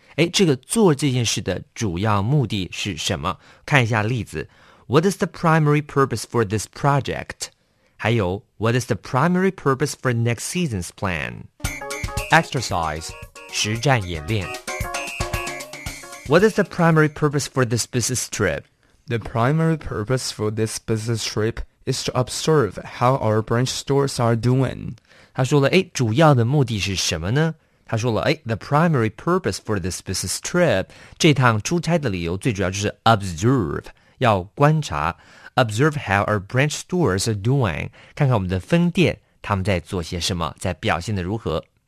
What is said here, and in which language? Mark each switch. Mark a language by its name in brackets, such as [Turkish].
[Chinese] 哎，这个做这件事的主要目的是什么？看一下例子 [English] What is the primary purpose for this project? 还有 What is the primary purpose for next season's plan? Exercise [Chinese] 实战演练 [English] What is the primary purpose for this business trip? The primary purpose for this business trip is to observe how our branch stores are doing. [Chinese] 他说了，哎，主要的目的是什么呢？他说了，哎 ， [English] the primary purpose for this business trip， [Chinese] 这趟出差的理由最主要就是 observe， 要观察 ， [English] observe how our branch stores are doing， [Chinese] 看看我们的分店他们在做些什么，在表现的如何。